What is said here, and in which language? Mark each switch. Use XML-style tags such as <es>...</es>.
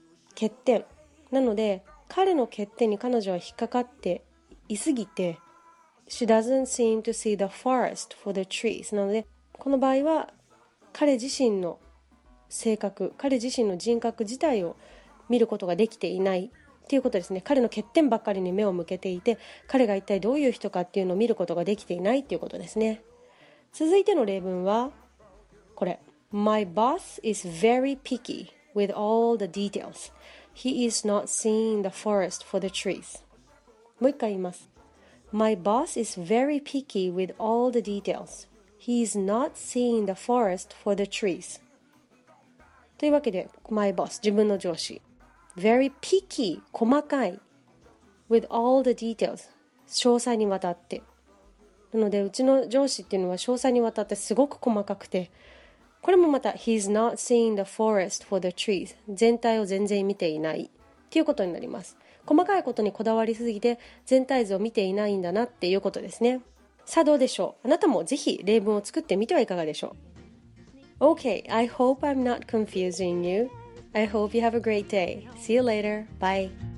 <ja>欠点なので、彼の欠点に彼女は引っかかっていすぎて She doesn't seem to see the forest for the trees なので、この場合は彼自身の性格、彼自身の人格自体を見ることができていないっていうことですね。彼の欠点ばっかりに目を向けていて、彼が一体どういう人かっていうのを見ることができていないっていうことですね。続いての例文はこれ。</ja> <en>My boss is very picky with all the details. He is not seeing the forest for the trees.</en> <ja>もう一回言います。</ja> <en>My boss is very picky with all the details. He is not seeing the forest for the trees.</en> <ja>というわけで、 My boss 自分の上司Very picky 細かい With all the details 詳細にわたって、なのでうちの上司っていうのは詳細にわたってすごく細かくて、これもまた He's not seeing the forest for the trees 全体を全然見ていないっていうことになります。細かいことにこだわりすぎて全体図を見ていないんだなっていうことですね。さあどうでしょう、あなたもぜひ例文を作ってみてはいかがでしょう。</ja> <en>OK I hope I'm not confusing youI hope you have a great day. See you later. Bye.</en>